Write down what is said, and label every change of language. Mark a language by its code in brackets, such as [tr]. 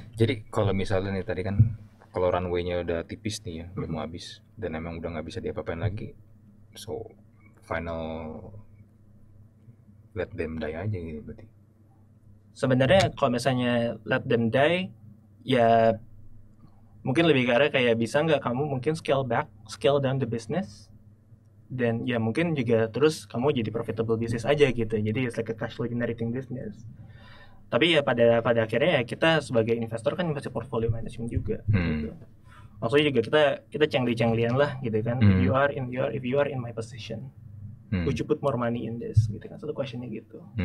[id] Jadi kalau misalnya nih tadi kan kalau runway-nya udah tipis nih ya, udah mau habis dan emang udah nggak bisa diapa-apain lagi, [en] so final let them die [id] aja gitu berarti. Sebenarnya kalau misalnya [en] let them die [id] ya mungkin lebih karena kayak bisa nggak kamu mungkin [en] scale back, scale down the business. [id] Dan ya mungkin juga terus kamu jadi profitable business aja gitu. Jadi [en] it's like a cash flow generating business. [id] Tapi ya pada akhirnya ya kita sebagai investor kan masih portfolio management juga gitu. Maksudnya juga kita cengli-cenglian lah gitu kan. [en] If you are in my position, would you put more money in this? [id] Gitu kan, satu questionnya gitu.